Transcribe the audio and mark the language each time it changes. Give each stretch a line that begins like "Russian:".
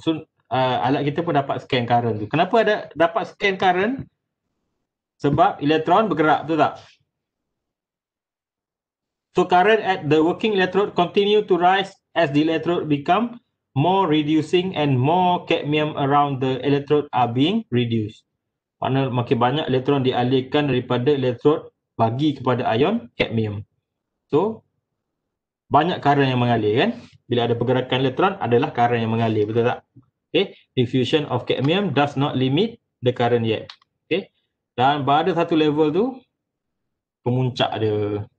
Malay: So alat kita pun dapat scan current tu. Kenapa ada dapat scan current? Sebab elektron bergerak, betul tak?
English: So current at the working electrode continue to rise as the electrode become more reducing and more cadmium around the electrode are being reduced.
Malay: Mana makin banyak elektron dialihkan daripada elektrod bagi kepada ion cadmium. So banyak current yang mengalir kan? Bila ada pergerakan elektron adalah current yang mengalir, betul tak?
English: Okay, diffusion of cadmium does not limit the current yet.
Malay: Okay, dan pada satu level tu pemuncak dia.